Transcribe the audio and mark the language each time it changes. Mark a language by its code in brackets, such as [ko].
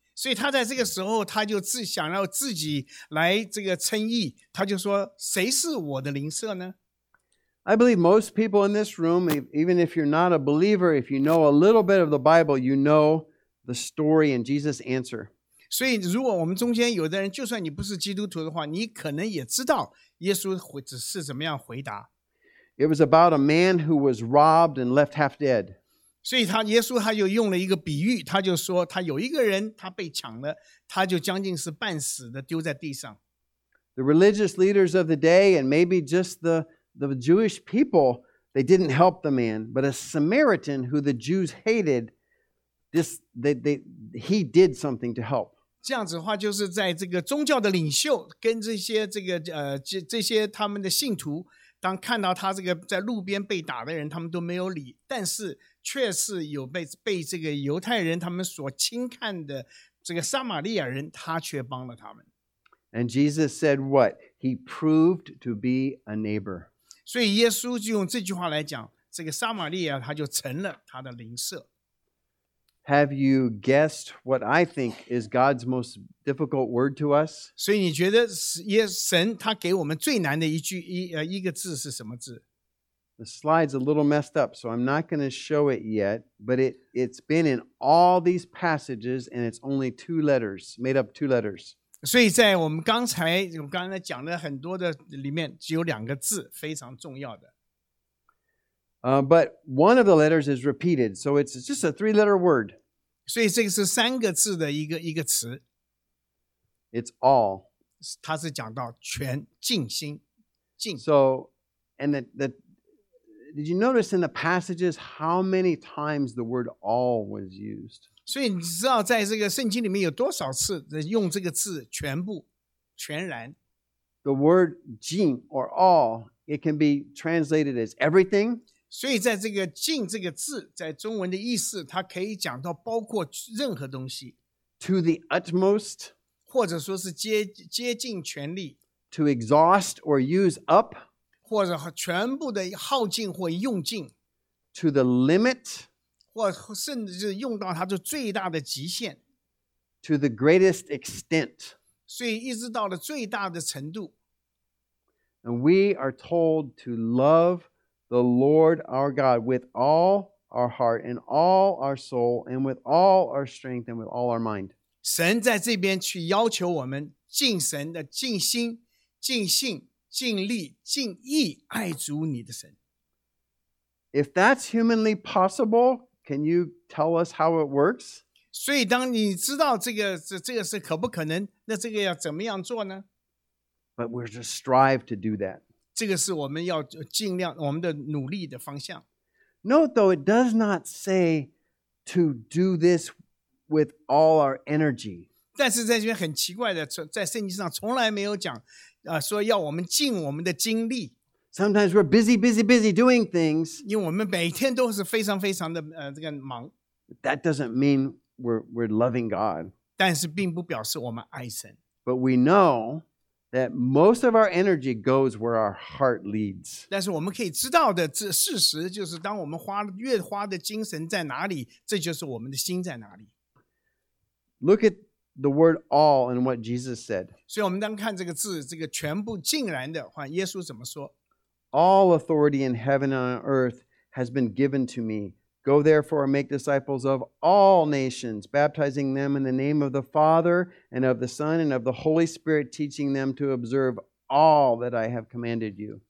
[zh] 所以他在这个时候他就想要自己来这个称义，他就说谁是我的邻舍呢？ [en] I believe most people in this room, even if you're not a believer, if you know a little bit of the Bible, you know the story and Jesus' answer. [zh] 所以如果我们中间有的人就算你不是基督徒的话，你可能也知道耶稣是怎么样回答。 [en] It was about a man who was robbed and left half dead. [zh] 所以他耶稣他就用了一个比喻，他就说他有一个人他被抢了，他就将近是半死的丢在地上。 [en] The religious leaders of the day and maybe just the Jewish people, they didn't help the man, but a Samaritan who the Jews hated, he did something to help. [zh] 这样子的话就是在这个宗教的领袖跟这些这些他们的信徒当看到他这个在路边被打的人他们都没有理，但是却是有 被这个犹太人他们所轻看的这个撒玛利亚人他却帮了他们。 [en] And Jesus said what? He proved to be a neighbor. [zh] 所以耶稣就用这句话来讲，这个撒玛利亚他就成了他的邻舍。 [en] Have you guessed what I think is God's most difficult word to us? [zh] 所以你觉得神他给我们最难的一个字是什么字？ [en] The slide's a little messed up, so I'm not going to show it yet, but it's been in all these passages, and it's only two letters, made up two letters. [zh] 所以在我刚才讲的很多的里面只有两个字非常重要的。 [en] But one of the letters is repeated, so it's just a three-letter word. [zh] 所以这个是三个字的一个词。 [en] It's all. [zh] 它是讲到全尽心尽。 [en] So, and Did you notice in the passages how many times the word all was used? [zh] 所以你知道在这个圣经里面有多少次用这个字全部、全然。 [en] The word jin or all, it can be translated as everything. [zh] 所以在这个jin这个字在中文的意思它可以讲到包括任何东西。 [en] To the utmost. [zh] 或者说是接近全力。 [en] To exhaust or use up. [zh] 或者全部的耗尽或用尽 [en] ，to the limit， [zh] 或甚至是用到它的最大的极限 [en] ，to the greatest extent， [zh] 所以一直到了最大的程度。 [en] And we are told to love the Lord our God with all our heart and all our soul and with all our strength and with all our mind。 [zh] 神在这边去要求我们敬神的敬心、敬性。尽力尽意爱主你的神。 [en] If that's humanly possible, can you tell us how it works? [zh] 所以当你知道这个是可不可能，那这个要怎么样做呢？ [en] But we're to strive to do that. [zh] 这个是我们要尽量我们的努力的方向。 [en] Note though, it does not say to do this with all our energy. [zh] 但是在这边很奇怪的，在圣经上从来没有讲说要我们尽我们的精力。 [en] Sometimes we're busy, busy, busy doing things. [zh] 因为我们每天都是非常非常的这个忙。 [en] That doesn't mean we're loving God. [zh] 但是并不表示我们爱神。 [en] But we know that most of our energy goes where our heart leads. [zh] 但是我们可以知道的事实就是当我们越花的精神在哪里，这就是我们的心在哪里。 [en] Look at the word all and what Jesus said. [zh] 所以我们当看这个字，这个全部竟然的话，耶稣怎么说？ [en] All authority in heaven and on earth has been given to me. Go therefore and make disciples of all nations, baptizing them in the name of the Father and of the Son and of the Holy Spirit, teaching them to observe all that I have commanded you.